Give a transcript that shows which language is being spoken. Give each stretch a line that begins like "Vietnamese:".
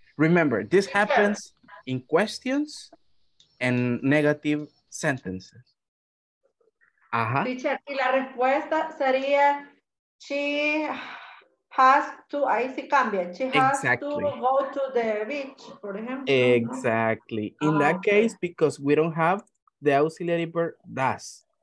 English: Remember, this happens in questions and negative sentences.
Spanish: Ajá. Y la respuesta sería
English: she has to,
Spanish: ahí sí cambia.
English: She has to go to the beach, for example. Exactly. ¿No? In that case, because we don't have the auxiliary verb does.